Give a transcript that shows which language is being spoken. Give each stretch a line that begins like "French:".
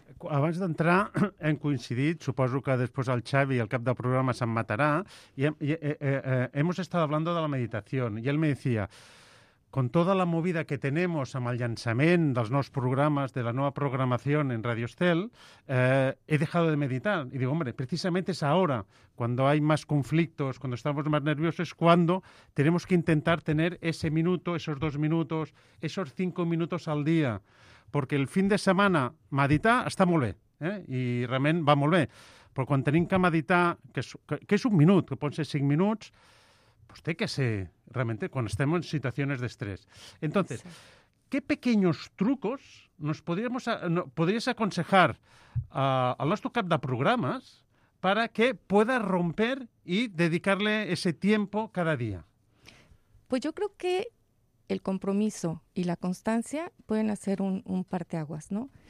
Catalan: Abans d'entrar hem coincidit, suposo que després el Xavi, el cap del programa, se'n matarà,
Spanish: hemos estado hablando de la meditación, y él me decía, con toda la movida que tenemos
Catalan: amb el llançament dels nous programes, de la nova programació en Radio Estel,
Spanish: he dejado de meditar. Y digo, hombre, precisamente es ahora, cuando hay más conflictos, cuando estamos más nerviosos, cuando tenemos que intentar tener ese minuto, esos dos minutos, esos cinco minutos al día.
Catalan: Perquè el fin de setmana meditar està molt bé, i realment va molt bé. Però quan tenim que meditar, que és un minut, que pot ser cinc minuts, pues té que ser, realment, quan estem en situacions d'estrès.
Spanish: Entonces, ¿qué pequeños trucos podrías aconsejar
Catalan: al nostre cap de programes
Spanish: para que pueda romper y dedicarle ese tiempo cada día? Pues yo creo que el compromiso y la constancia pueden hacer un parteaguas, ¿no?